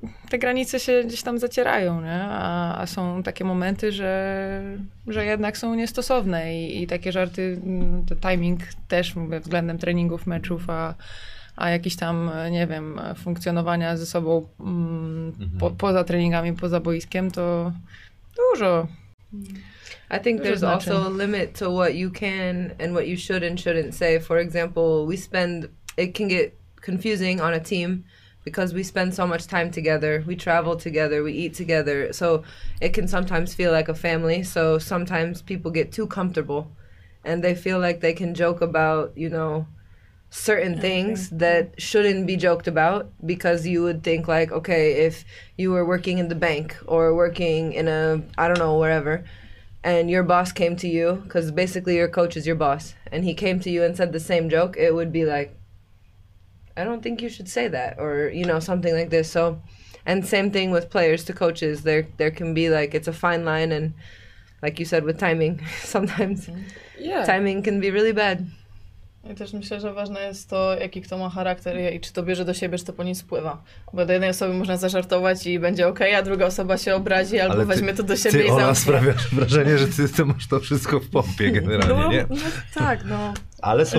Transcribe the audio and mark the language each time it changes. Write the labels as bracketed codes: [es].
[pl] te granice się gdzieś tam zacierają, nie? A są takie momenty, że jednak są niestosowne i takie żarty, to timing też, mówię, względem treningów, meczów, a jakiś tam, nie wiem, funkcjonowania ze sobą poza treningami, poza boiskiem, to dużo. [en] I think there's also a limit to what you can and what you should and shouldn't say. For example, it can get confusing on a team, because we spend so much time together, we travel together, we eat together, so it can sometimes feel like a family. So sometimes people get too comfortable and they feel like they can joke about, you know, certain things that shouldn't be joked about, because you would think like, okay, if you were working in the bank or working in a, I don't know, wherever, and your boss came to you, because basically your coach is your boss, and he came to you and said the same joke, it would be like, I don't think you should say that, or, you know, something like this. So, and same thing with players to coaches, there can be like, it's a fine line, and like you said, with timing, sometimes timing can be really bad. [pl] Ja też myślę, że ważne jest to, jaki kto ma charakter i czy to bierze do siebie, czy to po nim spływa. Bo do jednej osoby można zażartować i będzie okej, okay, a druga osoba się obrazi albo ty, weźmie to do siebie ty, i zamknie. Ty, sprawiasz wrażenie, że ty masz to wszystko w pompie generalnie, no, nie? Tak, no. Ale są